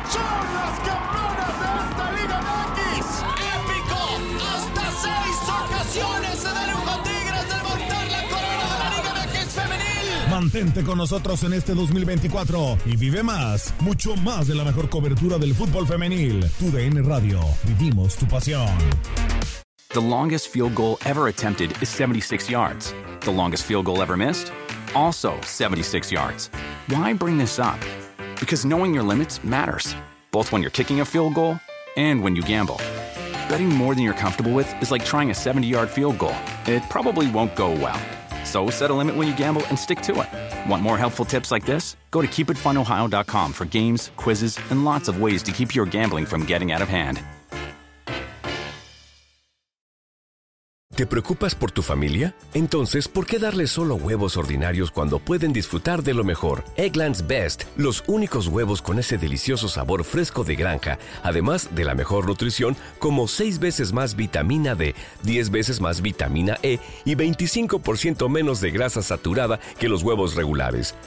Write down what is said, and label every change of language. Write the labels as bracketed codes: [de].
[es] ¡Son las campeonas de esta Liga MX! ¡Épico! ¡Hasta 6 ocasiones se da lujo Tigres de levantar la corona de la Liga MX Femenil! Mantente con nosotros en este 2024 y vive más, mucho más de la mejor cobertura del fútbol femenil. TUDN Radio, vivimos tu pasión. [en] The longest field goal ever attempted is 76 yards. The longest field goal ever missed? Also 76 yards. Why bring this up? Because knowing your limits matters, both when you're kicking a field goal and when you gamble. Betting more than you're comfortable with is like trying a 70-yard field goal. It probably won't go well. So set a limit when you gamble and stick to it. Want more helpful tips like this? Go to KeepItFunOhio.com for games, quizzes, and lots of ways to keep your gambling from getting out of hand. [es] ¿Te preocupas por tu familia? Entonces, ¿por qué darles solo huevos ordinarios cuando pueden disfrutar de lo mejor? Eggland's Best, los únicos huevos con ese delicioso sabor fresco de granja. Además de la mejor nutrición, como 6 veces más vitamina D, 10 veces más vitamina E y 25% menos de grasa saturada que los huevos regulares.